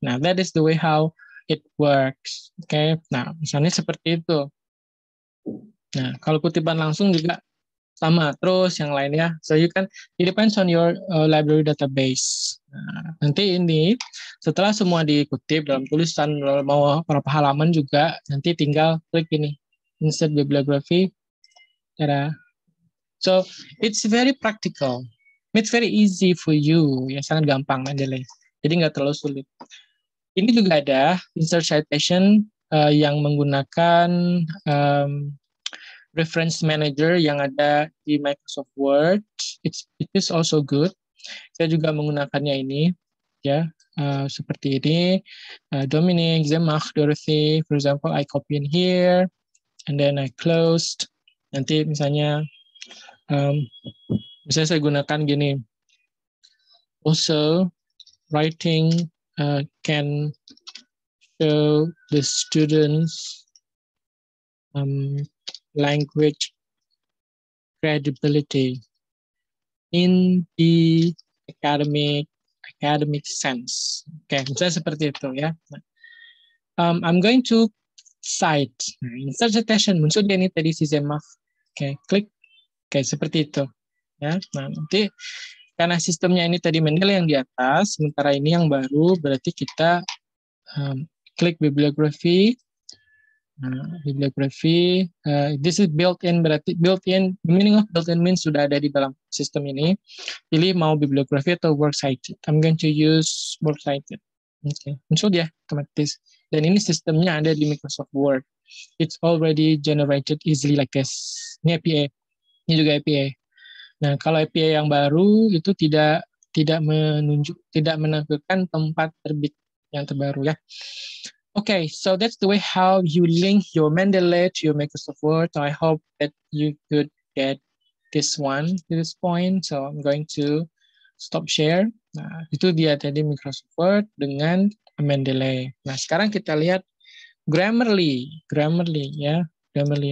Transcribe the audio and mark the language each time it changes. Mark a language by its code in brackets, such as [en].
[en] Nah, that is the way how it works. Oke. Okay. [id] Nah, misalnya seperti itu. Nah, kalau kutipan langsung juga sama, terus yang lainnya. [en] So you can, it depends on your library database. [id] Nah, nanti ini, setelah semua dikutip dalam tulisan, mau berapa halaman juga, nanti tinggal klik ini, insert bibliography. Tada. [en] So it's very practical. It's very easy for you. [id] Ya, sangat gampang, Mendeley. Jadi nggak terlalu sulit. Ini juga ada insert citation yang menggunakan reference manager yang ada di Microsoft Word. [en] It is also good. [id] Saya juga menggunakannya ini, ya, seperti ini. [en] Dominic, Zemach, Dorothy, for example, I copy in here, and then I closed. [id] Nanti misalnya, misalnya saya gunakan gini. [en] Also, writing can show the students language credibility in the academic sense. [id] Okay, misalnya seperti itu ya. [en] I'm going to cite. [id] Insert citation muncul di ini tadi si Zemach. Okay, klik. Okay, seperti itu. Ya, nah nanti karena sistemnya ini tadi Mendeley yang di atas, sementara ini yang baru berarti kita klik bibliography. Bibliografi, [en] this is built-in, [id] berarti built-in, [en] meaning of built-in means [id] sudah ada di dalam sistem ini. Pilih mau bibliografi atau works cited. [en] I'm going to use works cited. Okay. [id] Muncul dia, otomatis. Dan ini sistemnya ada di Microsoft Word. [en] It's already generated easily like this. [id] Ini APA, ini juga APA. Nah, kalau APA yang baru itu tidak menampilkan tempat terbit yang terbaru ya. [en] Okay, so that's the way how you link your Mendeley to your Microsoft Word. So I hope that you could get this one to this point. So I'm going to stop share. [id] Nah, itu dia tadi Microsoft Word dengan Mendeley. Nah, sekarang kita lihat Grammarly. Grammarly, ya. Grammarly.